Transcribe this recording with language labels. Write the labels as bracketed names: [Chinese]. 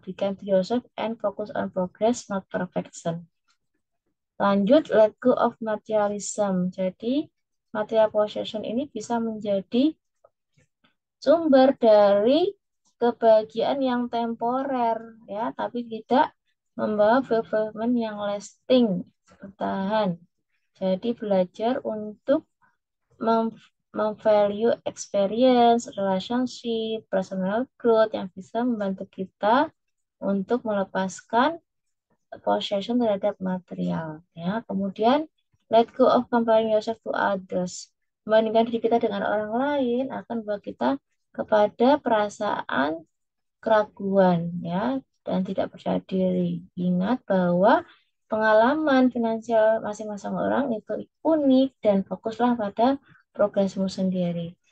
[English] Be kind to yourself and focus on progress, not perfection. [Indonesian] Lanjut, [English] let go of materialism. [Indonesian] Jadi, material possession ini bisa menjadi sumber dari kebahagiaan yang temporer, ya, tapi tidak membawa fulfillment yang lasting, bertahan. Jadi, belajar untuk memvalue [English] experience, relationship, personal growth [Indonesian] yang bisa membantu kita untuk melepaskan possession terhadap material, ya. Kemudian, [English] let go of comparing yourself to others. [Indonesian] Membandingkan diri kita dengan orang lain akan membawa kita kepada perasaan keraguan, ya, dan tidak percaya diri. Ingat bahwa pengalaman finansial masing-masing orang itu unik dan fokuslah pada progresmu sendiri.